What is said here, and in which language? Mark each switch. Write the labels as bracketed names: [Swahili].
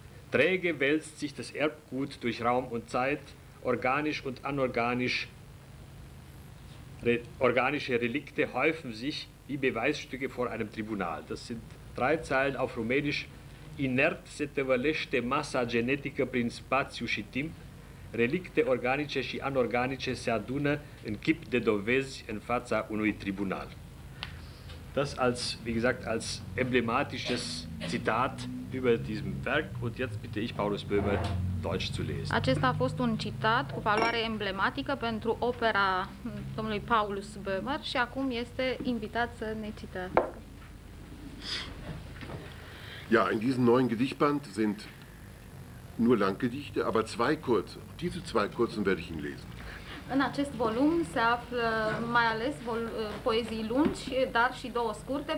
[German] Träge wälzt sich das Erbgut durch Raum und Zeit, organisch und anorganisch. Organische Relikte häufen sich wie Beweisstücke vor einem Tribunal. Das sind drei Zeilen auf Rumänisch. [Romanian] Inert se tevălește masa genetică prin spațiu și timp. Relikte organice și anorganice se adună în chip de dovezi în fața unui tribunal. [German] Das als, wie gesagt, als emblematisches Zitat über diesem Werk. Und jetzt bitte ich Paulus Böhmer, Deutsch zu lesen. [Romanian] Acesta a fost un citat cu valoare emblematică pentru opera domnului Paulus Böhmer și acum este invitat să ne citească. [German] Ja, in diesem neuen Gedichtband sind nur Langgedichte, aber zwei kurze. Diese zwei kurzen werde ich ihn lesen. [Romanian] În acest volum se află mai ales poezii lungi, dar și două scurte.